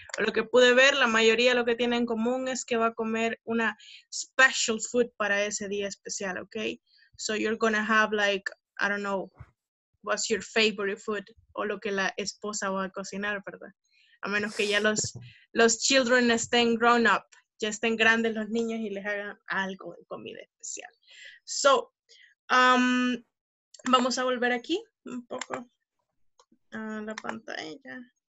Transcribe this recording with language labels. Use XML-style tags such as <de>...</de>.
<es>Lo que pude ver, la mayoría lo que tienen en común es que va a comer una</es> <en>special food</en> <es>para ese día especial, okay?</es> <en>So you're gonna have like, I don't know, what's your favorite food?</en> <es>O lo que la esposa va a cocinar, ¿verdad? A menos que ya los children estén</es> <en>grown up.</en> <es>Ya estén grandes los niños y les hagan algo de comida especial. So, vamos a volver aquí un poco a la pantalla.</es>